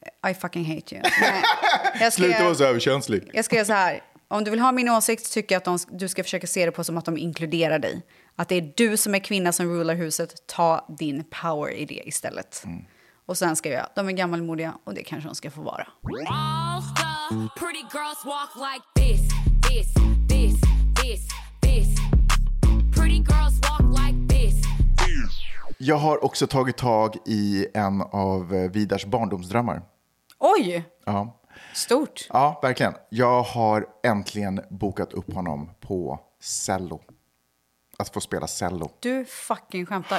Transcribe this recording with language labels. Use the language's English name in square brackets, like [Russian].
[English] I fucking hate you. [Swedish] Sluta vara så överkänslig. Jag skrev så här: om du vill ha min åsikt, tycker jag att du ska försöka se det på som att de inkluderar dig. Att det är du som är kvinna som rullar huset. Ta din power i det istället. Mm. Och sen ska jag, de är gammalmodiga och det kanske de ska få vara. [English] All the pretty girls walk like this, this, this, this, this. Pretty girls walk like this. [Swedish] Jag har också tagit tag i en av Vidars barndomsdrömmar. Oj! Ja. Stort. Ja, verkligen. Jag har äntligen bokat upp honom på cello. Att få spela cello. Du fucking skämtar.